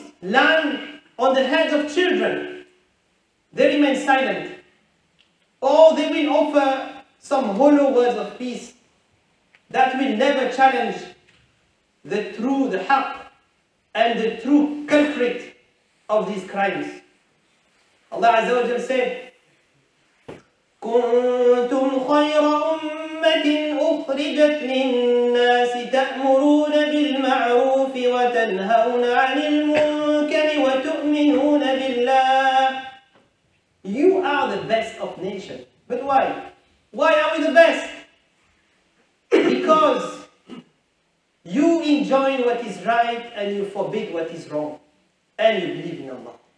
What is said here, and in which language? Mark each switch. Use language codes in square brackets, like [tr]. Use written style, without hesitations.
[en] land on the heads of children, they remain silent. Or they will offer some hollow words of peace that will never challenge the true, the haqq, and the true conflict of these crimes. Allah Azza wa Jalla said, [ar] كنتم خير أمة أخرجت للناس تأمرون بالمعروف وتنهون عن المنكر وتؤمنون بالله. [en] You are the best of nations. But why? Why are we the best? Because you enjoin what is right and you forbid what is wrong. And you believe in Allah.